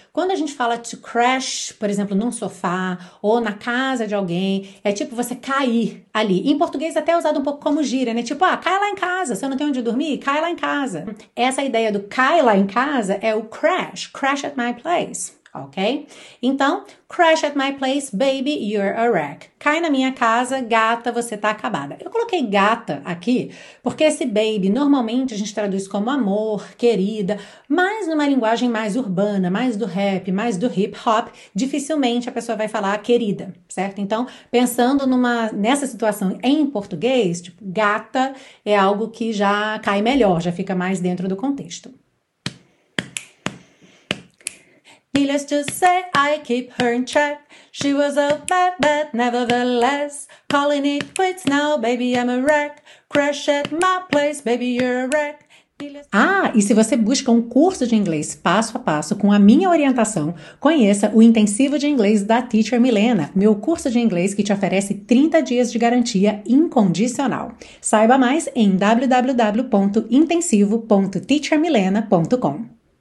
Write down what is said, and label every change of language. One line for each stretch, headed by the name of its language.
Portuguese: Quando a gente fala to crash, por exemplo, num sofá ou na casa de alguém, é tipo você cair ali. Em português até é usado um pouco como gíria, né? Tipo, ah, cai lá em casa, se eu não tenho onde dormir, cai lá em casa. Essa ideia do cai lá em casa é o crash,
English: crash at my place,
Portuguese: ok?
English: Então, crash at my place, baby, you're a wreck.
Portuguese: Cai na minha casa, gata, você tá acabada. Eu coloquei gata aqui porque esse baby, normalmente a gente traduz como amor, querida, mas numa linguagem mais urbana, mais do rap, mais do hip hop, dificilmente a pessoa vai falar querida, certo? Então, pensando nessa situação em português, tipo, gata é algo que já cai melhor, já fica mais dentro do contexto.
English: Needless to say, I keep her in check. She was a bad, bad, nevertheless. Calling it quits now, baby, I'm a wreck. Crash at my place, baby, you're a wreck.
Portuguese: Ah, e se você busca um curso de inglês passo a passo com a minha orientação, conheça o Intensivo de Inglês da Teacher Milena, meu curso de inglês que te oferece 30 dias de garantia incondicional. Saiba mais em www.intensivo.teachermilena.com.